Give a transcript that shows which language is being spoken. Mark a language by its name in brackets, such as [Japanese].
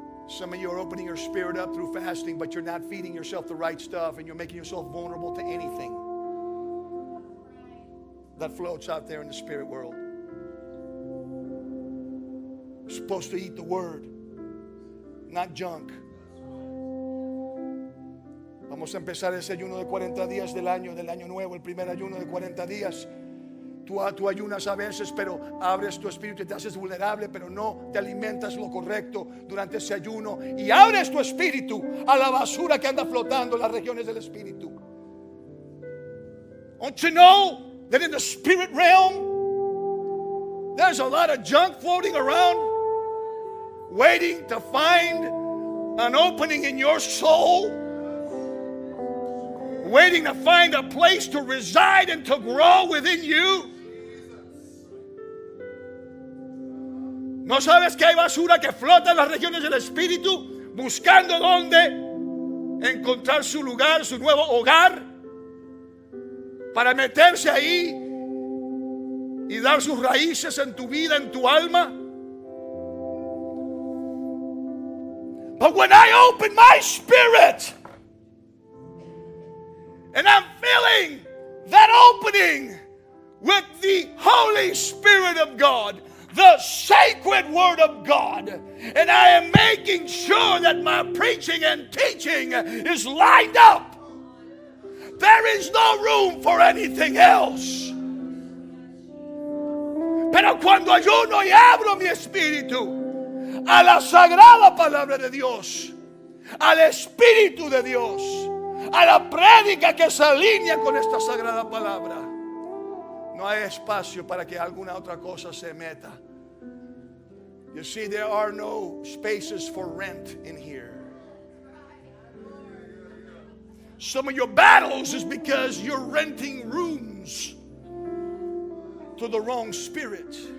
[English] Some of you are opening your spirit up through fasting, but you're not feeding yourself the right stuff and you're making yourself vulnerable to anything that floats out there in the spirit world. You're supposed to eat the word, not junk. [Spanish] Vamos a empezar ese ayuno de 40 días del año nuevo, el primer ayuno de 40 días. Tú ayunas a veces, pero abres tu espíritu y te haces vulnerable, pero no te alimentas lo correcto durante ese ayuno. Y abres tu espíritu a la basura que anda flotando en las regiones del espíritu. [English] Don't you know that in the spirit realm, there's a lot of junk floating around, waiting to find an opening in your soul, waiting to find a place to reside and to grow within you. [Spanish] ¿No sabes que hay basura que flota en las regiones del espíritu buscando dónde encontrar su lugar, su nuevo hogar para meterse ahí y dar sus raíces en tu vida, en tu alma? [English] But when I open my spirit and I'm filling that opening with the Holy Spirit of God, the sacred word of God, and I am making sure that my preaching and teaching is lined up, there is no room for anything else. [Spanish] Pero cuando ayuno y abro mi espíritu a la sagrada palabra de Dios, al espíritu de Dios, a la prédica que se alinea con esta sagrada palabra, no hay espacio para que alguna otra cosa se meta. [English] You see, there are no spaces for rent in here. Some of your battles is because you're renting rooms to the wrong spirit.